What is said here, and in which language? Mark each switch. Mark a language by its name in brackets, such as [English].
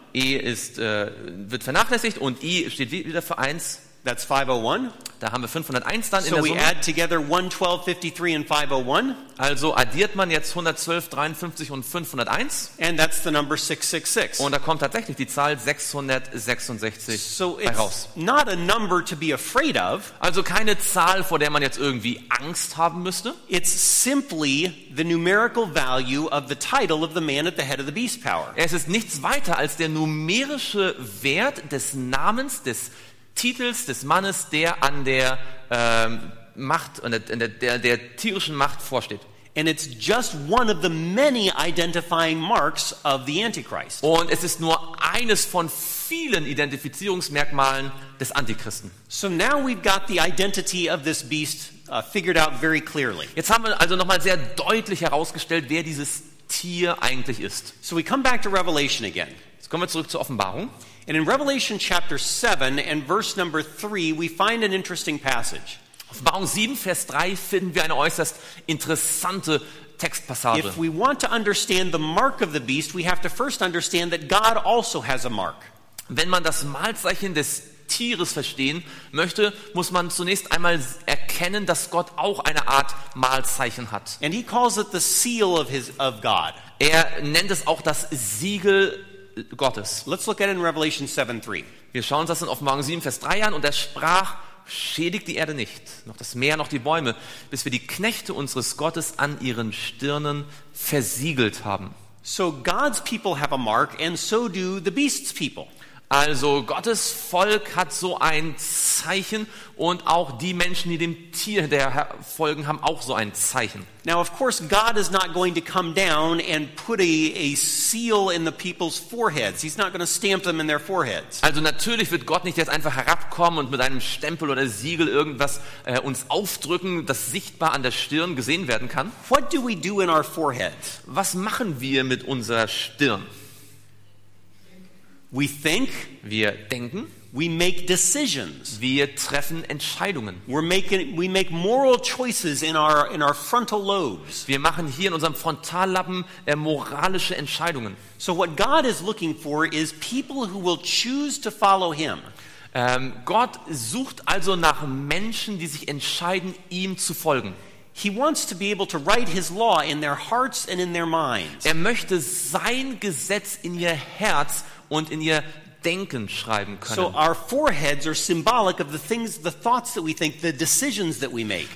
[German] E ist, wird vernachlässigt und I steht wieder für 1. [English] That's 501. [German] Da haben wir 501 dann so in der Summe. [English] So we add together 112, 53 and 501. [German] Also addiert man jetzt 112, 53 und 501. [English] And that's the number 666. [German] Und da kommt tatsächlich die Zahl 666 so heraus. [English] So it's not a number to be afraid of. [German] Also keine Zahl, vor der man jetzt irgendwie Angst haben müsste. [English] It's simply the numerical value of the title of the man at the head of the beast power. [German] Es ist nichts weiter als der numerische Wert des Namens des Titels des Mannes, der an der Macht und der tierischen Macht vorsteht. [English] And it's just one of the many identifying marks of the Antichrist. [German] Und es ist nur eines von vielen Identifizierungsmerkmalen des Antichristen. [English] So now we've got the identity of this beast figured out very clearly. [German] Jetzt haben wir also nochmal sehr deutlich herausgestellt, wer dieses Tier eigentlich ist. [English] So we come back to Revelation again. [German] Jetzt kommen wir zurück zur Offenbarung. [English] And in Revelation chapter 7 and verse number 3 we find an interesting passage. [German] Offenbarung 7 Vers 3 finden wir eine äußerst interessante Textpassage. [English] If we want to understand the mark of the beast, we have to first understand that God also has a mark. [German] Wenn man das Malzeichen des Tieres verstehen möchte, muss man zunächst einmal erkennen, dass Gott auch eine Art Malzeichen hat. [English] And he calls it the seal of God. [German] Er nennt es auch das Siegel Gottes. [English] Let's look at it in Revelation 7:3. [German] Wir schauen uns das in Offenbarung 7, Vers 3 an. Und er sprach, schädigt die Erde nicht, noch das Meer, noch die Bäume, bis wir die Knechte unseres Gottes an ihren Stirnen versiegelt haben. [English] So God's people have a mark and so do the beast's people. [German] Also Gottes Volk hat so ein Zeichen und auch die Menschen, die dem Tier hinterher folgen, haben auch so ein Zeichen. [English] Now of course God is not going to come down and put a seal in the people's foreheads. He's not going to stamp them in their foreheads. [German] Also natürlich wird Gott nicht jetzt einfach herabkommen und mit einem Stempel oder Siegel irgendwas uns aufdrücken, das sichtbar an der Stirn gesehen werden kann. [English] What do we do in our foreheads? [German] Was machen wir mit unserer Stirn? [English] We think, [German] wir denken, [English] we make decisions, [German] wir treffen Entscheidungen. [English] We make moral choices in our frontal lobes. [German] Wir machen hier in unserem Frontallappen moralische Entscheidungen. [English] So what God is looking for is people who will choose to follow him. [German] Gott sucht also nach Menschen, die sich entscheiden, ihm zu folgen. [English] He wants to be able to write his law in their hearts and in their minds. [German] Er möchte sein Gesetz in ihr Herz und in ihr Denken schreiben können. [English] So our foreheads are symbolic of the things, the thoughts that we think, the decisions that we make.